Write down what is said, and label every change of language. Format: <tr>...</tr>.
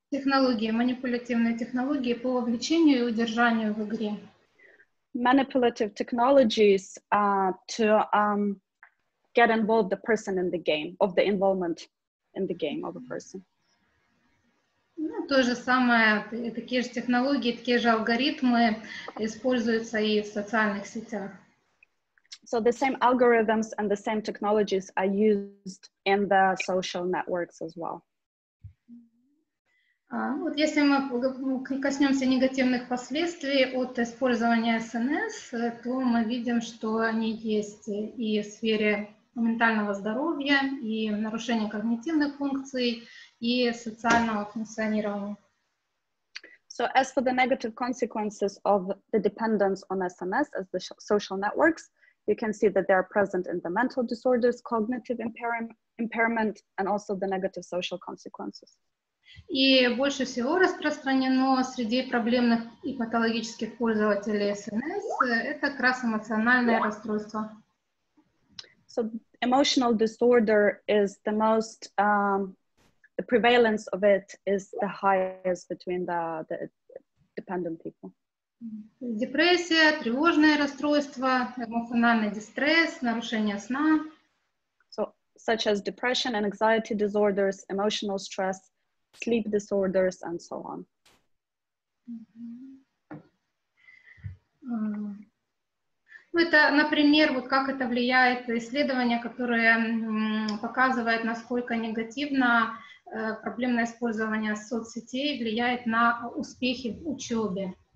<ru>Технологии, манипулятивные технологии по вовлечению и удержанию в игре.</ru> <en>Manipulative technologies to get involved the person in the game, of the involvement in the game of a person.</en> <ru>Ну, то же самое, такие же технологии, такие же алгоритмы используются и в социальных сетях.</ru> <en>So the same algorithms and the same technologies are used in the social networks as well.</en> <ru>Вот если мы коснемся негативных последствий от использования СНС, то мы видим, что они есть и в сфере ментального здоровья, и нарушения когнитивных функций, и социального функционирования.</ru> <en>So as for the negative consequences of the dependence on SNS as the social networks, you can see that they are present in the mental disorders, cognitive impairment, and also the negative social consequences.</en> <ru>И больше всего распространено среди проблемных и патологических пользователей SNS это как раз эмоциональное расстройство.</ru> <en>So emotional disorder is the most the prevalence of it is the highest between the dependent people.</en> <ru>Депрессия, тревожное расстройство, эмоциональный дистресс, нарушение сна.</ru> <en>So, such as depression and anxiety disorders, emotional stress, sleep disorders, and so on.</en> <ru>Ну, это, например, вот как это влияет исследование, которое показывает, насколько негативно проблемное использование соцсетей влияет на успехи в учебе.</ru>